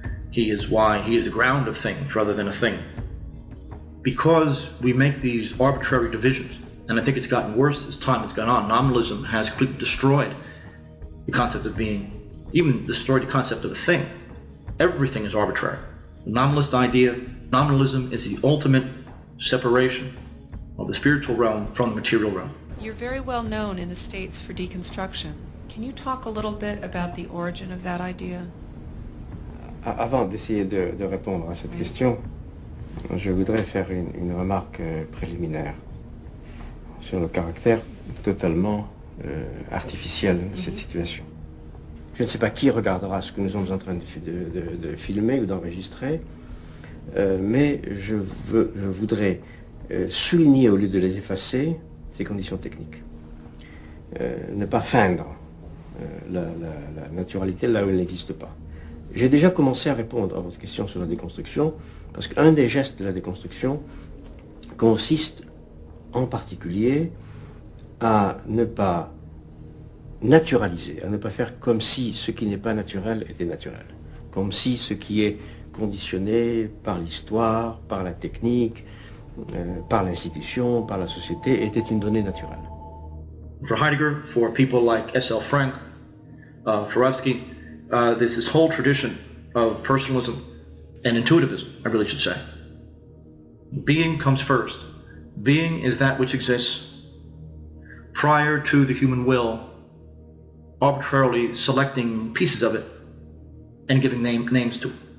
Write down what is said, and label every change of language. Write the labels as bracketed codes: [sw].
[en] He is why he is the ground of things rather than a thing. Because we make these arbitrary divisions, and I think it's gotten worse as time has gone on, nominalism has completely destroyed the concept of being, even destroyed the concept of a thing. Everything is arbitrary. The nominalist idea, nominalism is the ultimate separation of the spiritual realm from the material realm. You're very well known in the States for deconstruction. Can you talk a little bit about the origin of that idea? [fr] Avant d'essayer de répondre à cette question, je voudrais faire une remarque préliminaire sur le caractère totalement artificiel de cette situation. Je ne sais pas qui regardera ce que nous sommes en train de filmer ou d'enregistrer, mais je voudrais souligner, au lieu de les effacer, ces conditions techniques. Ne pas feindre la naturalité là où elle n'existe pas. J'ai déjà commencé à répondre à votre question sur la déconstruction, parce qu'un des gestes de la déconstruction consiste en particulier à ne pas naturaliser, à ne pas faire comme si ce qui n'est pas naturel était naturel, comme si ce qui est conditionné par l'histoire, par la technique, par l'institution, par la société, était une donnée naturelle. [en] For Heidegger, for people like S.L. Frank, Turovsky, there's this whole tradition of personalism and intuitivism, I really should say. Being comes first. Being is that which exists prior to the human will arbitrarily selecting pieces of it and giving names to it.